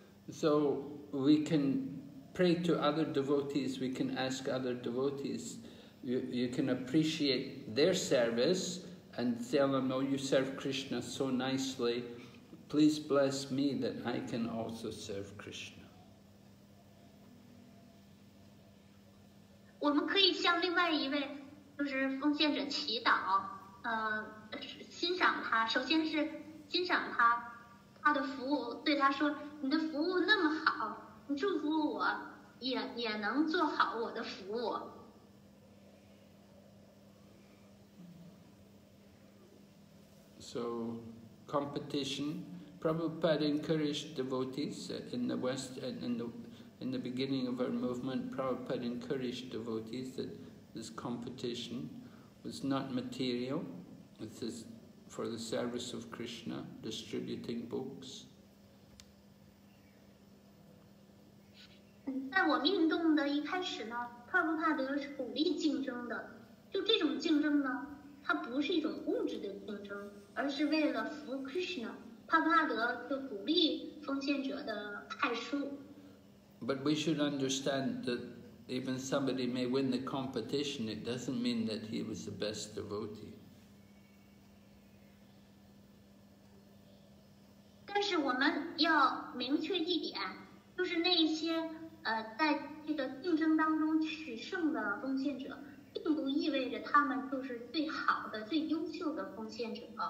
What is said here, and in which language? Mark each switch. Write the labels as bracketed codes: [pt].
[en] So we can pray to other devotees, we can ask other devotees, you can appreciate their service and tell them, oh, you serve Krishna so nicely, please bless me that I can also serve Krishna. [zh] 我们可以向另外一位就是奉献者祈祷，欣赏他，首先是欣赏他，他的服务，对他说，你的服务那么好，你祝福我，也能做好我的服务。 [en] So, competition, Prabhupada encouraged devotees in the West and in the beginning of our movement, Prabhupada encouraged devotees that this competition was not material, it is for the service of Krishna, distributing books. [zh] 在我运动的一开始呢，帕布帕德是鼓励竞争的，就这种竞争呢，它不是一种物质的竞争，而是为了服务 Krishna。帕布帕德就鼓励奉献者的派书。 [en] But we should understand that even somebody may win the competition, it doesn't mean that he was the best devotee. [zh] 但是我们要明确一点，就是那些在这个竞争当中取胜的奉献者，并不意味着他们就是最好的、最优秀的奉献者。